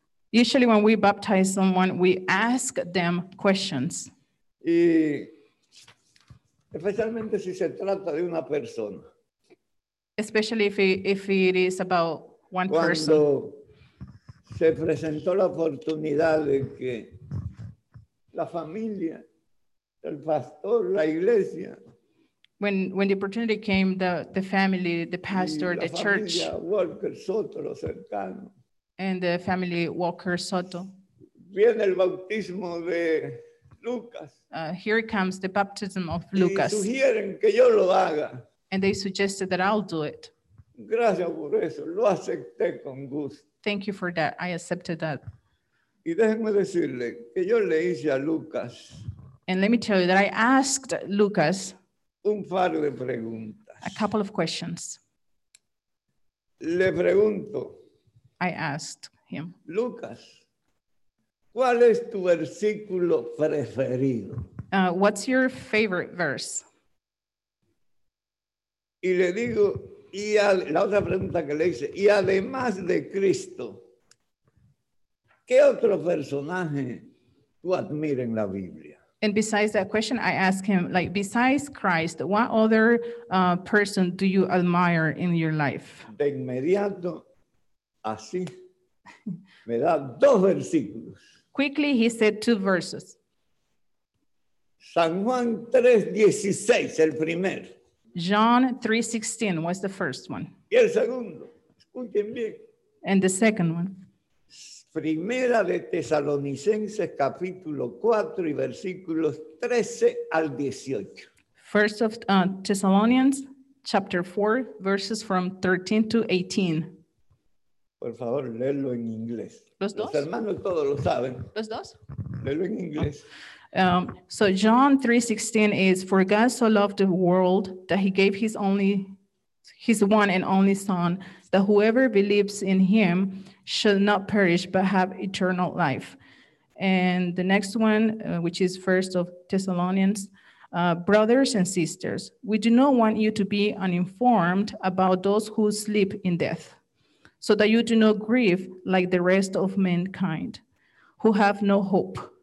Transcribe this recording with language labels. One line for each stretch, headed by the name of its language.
English: Usually when we baptize someone, we ask them questions.
Spanish: Y especialmente si se trata de una persona.
English: Especially if it is about one
Spanish: Cuando
English: person.
Spanish: Cuando se presentó la oportunidad de que la familia, el pastor, la iglesia.
English: When the opportunity came, the family, the pastor, the church,
Spanish: Walker Soto, lo cercano,
English: and the family Walker Soto.
Spanish: Viene el bautismo de Lucas.
English: Here comes the baptism of Lucas.
Spanish: Y sugieren que yo lo haga.
English: And they suggested that I'll do it.
Spanish: Gracias por eso, lo acepté con gusto.
English: Thank you for that. I accepted that.
Spanish: Y déjenme decirle que yo le hice a Lucas.
English: And let me tell you that I asked Lucas
Spanish: un par de preguntas.
English: A couple of questions.
Spanish: Le pregunto.
English: I asked him.
Spanish: Lucas, ¿cuál es tu versículo preferido?
English: What's your favorite verse?
Spanish: Y le digo, y la otra pregunta que le hice, y además de Cristo, ¿qué otro personaje tú admiras en la Biblia?
English: And besides that question, I ask him, like, besides Christ, what other person do you admire in your life?
Spanish: De inmediato, así, me da dos versículos.
English: Quickly, he said two verses.
Spanish: San Juan 3:16, el primer.
English: John 3:16 was the first one.
Spanish: Y el segundo, escuchen bien.
English: And the second one.
Spanish: Primera de Tesalonicenses, capítulo 4, y versículos 13 al 18.
English: First of Thessalonians, chapter 4, verses from 13 to 18.
Spanish: Por favor, léelo en inglés. ¿Los dos? Los hermanos todos lo saben. ¿Los dos? Léelo en inglés.
English: So John 3:16 is, for God so loved the world that he gave his one and only son, that whoever believes in him shall not perish but have eternal life. And the next one, which is first of Thessalonians, brothers and sisters, we do not want you to be uninformed about those who sleep in death, so that you do not grieve like the rest of mankind who have no hope.